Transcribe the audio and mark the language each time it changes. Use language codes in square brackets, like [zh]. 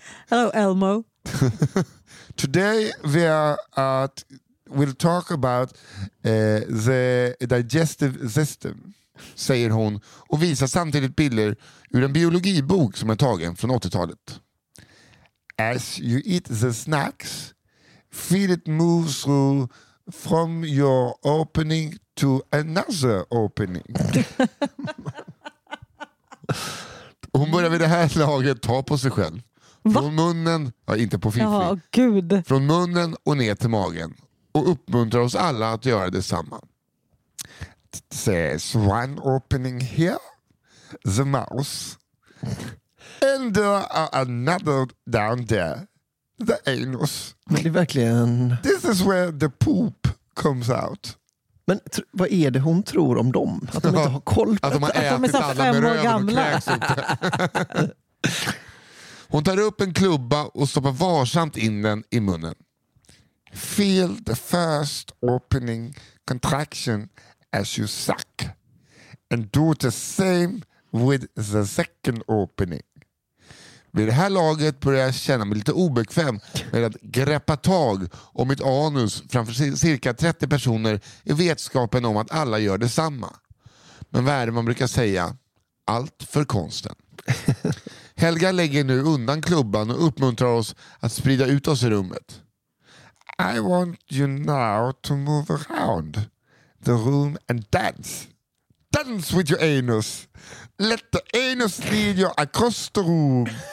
[en] Hello, Elmo. Today we are at, we'll talk about the digestive system, [sv] säger hon och visar samtidigt bilder ur en biologibok som är tagen från 80-talet. [en] As you eat the snacks, feel it moves through from your opening to another opening. [sv] Hon börjar vid det här laget ta på sig själv. Från munnen, ja, inte på fiffi. Ja, gud. Från munnen och ner till magen. Och uppmuntrar oss alla att göra detsamma. [en] Says one opening here, the mouth. And another down there, the anus. [sv] Men det är verkligen... [en] This is where the poop comes out. [sv] Men vad är det hon tror om dem? Att de inte har koll på att de har ätit att de är alla med röven och kräks inte. Hon tar upp en klubba och stoppar varsamt in den i munnen. [en] Feel the first opening contraction as you suck. And do the same with the second opening. [sv] Vid det här laget börjar jag känna mig lite obekväm med att greppa tag om mitt anus framför cirka 30 personer i vetskapen om att alla gör detsamma. Men vad är det man brukar säga? Allt för konsten. Helga lägger nu undan klubban och uppmuntrar oss att sprida ut oss i rummet. [en] I want you now to move around the room and dance. Dance with your anus. Let the anus lead you across the room.